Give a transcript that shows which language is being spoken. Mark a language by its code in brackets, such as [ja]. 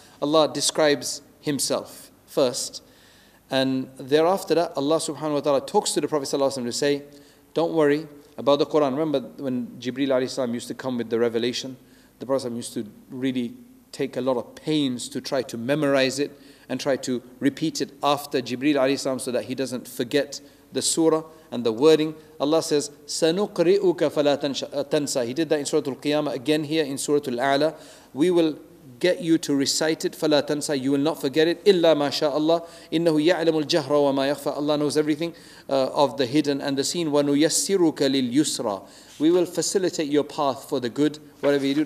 [en] Allah describes Himself first. And thereafter that, Allah subhanahu wa ta'ala talks to the Prophet sallallahu alayhi wa sallam to say, don't worry about the Quran. Remember when Jibreel alayhi salam used to come with the revelation, the Prophet sallallahu alayhi wa sallam used to really take a lot of pains to try to memorize it and try to repeat it after Jibreel alayhi salam so that he doesn't forget the surah and the wording. Allah says, [ar] سَنُقْرِئُكَ فَلَا تَنْسَى. [en] He did that in Surah Al-Qiyamah, again here in Surah Al-A'la. We will get you to recite it, [ar] فَلَا تَنْسَى. [en] You will not forget it. [ar] إِلَّا مَا شَاءَ اللَّهُ إِنَّهُ يَعْلَمُ الْجَهْرَ وَمَا يَخْفَى. [en] Allah knows everything of the hidden and the seen. [ar] وَنُيَسِّرُكَ لِلْيُسْرَى. [en] We will facilitate your path for the good, whatever you do.